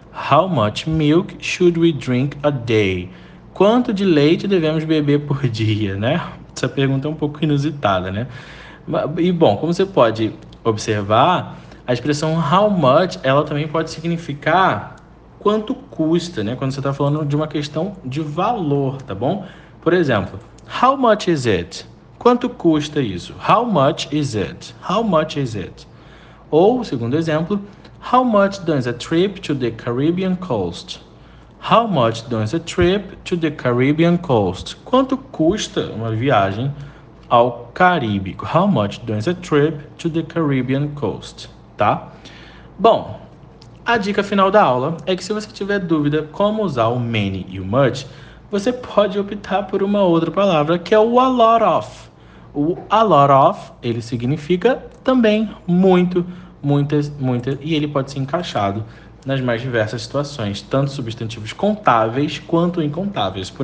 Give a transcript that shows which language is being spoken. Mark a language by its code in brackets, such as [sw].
[en] How much milk should we drink a day? [pt] Quanto de leite devemos beber por dia, né? Essa pergunta é um pouco inusitada, né? E bom, como você pode observar, a expressão how much, ela também pode significar quanto custa, né? Quando você está falando de uma questão de valor, tá bom? Por exemplo, [en] how much is it? [pt] Quanto custa isso? [en] How much is it? How much is it? [pt] Ou, segundo exemplo, [en] how much does a trip to the Caribbean cost? How much does a trip to the Caribbean cost? [pt] Quanto custa uma viagem ao Caribe? [en] How much does a trip to the Caribbean cost? [pt] Tá? Bom, a dica final da aula é que se você tiver dúvida como usar o many e o much, você pode optar por uma outra palavra que é o a lot of. O a lot of, ele significa também muito, muitas, muitas, e ele pode ser encaixado nas mais diversas situações, tanto substantivos contáveis quanto incontáveis.